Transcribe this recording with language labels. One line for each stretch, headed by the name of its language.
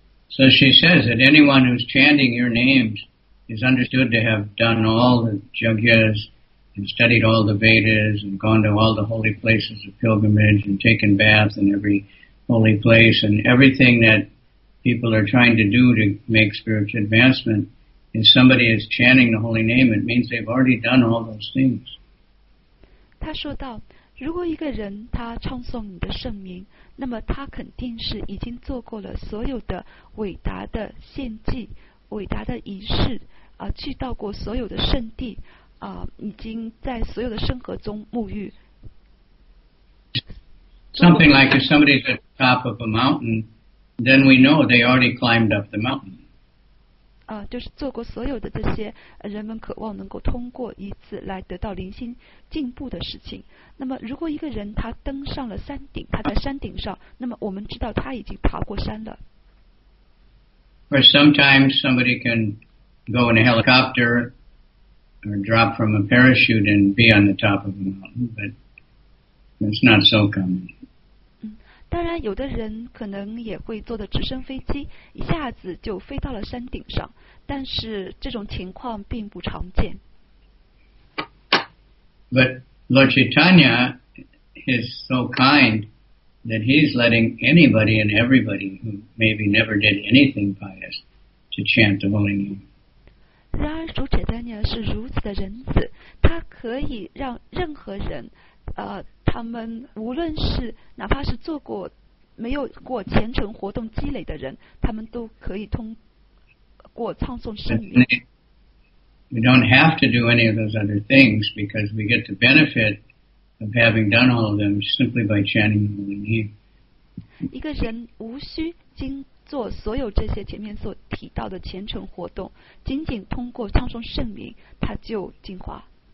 English: So she says that anyone who's chanting your names is understood to have done all the yajnas and studied all the Vedas and gone to all the holy places of pilgrimage and taken baths in every holy place and everything that people are trying to do to make spiritual advancement. If somebody is chanting the holy name, it means they've already done all those things.
Chinese: 他说道。如果一个人他唱诵你的圣名，那么他肯定是已经做过了所有的伟大的献祭、伟大的仪式，去到过所有的圣地，已经在所有的圣河中沐浴。
English: Something like if somebody's at the top of a mountain, then we know they already climbed up the mountain.
Chinese: 就是做过所有的这些人们渴望能够通过一次来得到灵性进步的事情。那么如果一个人他登上了山顶，他在山顶上，那么我们知道他已经爬过山了。
English: Or sometimes somebody can go in a helicopter or drop from a parachute and be on the top of a mountain, but it's not so common.
Chinese: 当然有的人可能也会坐的直升飞机一下子就飞到了山顶上，但是这种情况并不常见。
English: But Lord Chaitanya is so kind that he's letting anybody and everybody who maybe never did anything pious to chant the holy name.
Chinese: 然而主解丹尼尔是如此的仁慈，他可以让任何人他们无论是哪怕是做过没有过虔诚活动积累的人，他们都可以通过唱诵圣名。
English: We don't have to do any of those other things because we get the benefit of having done all of them simply by chanting the holy name.
Chinese: 一个人无需经做所有这些前面所提到的虔诚活动，仅仅通过唱诵圣名，他就进化。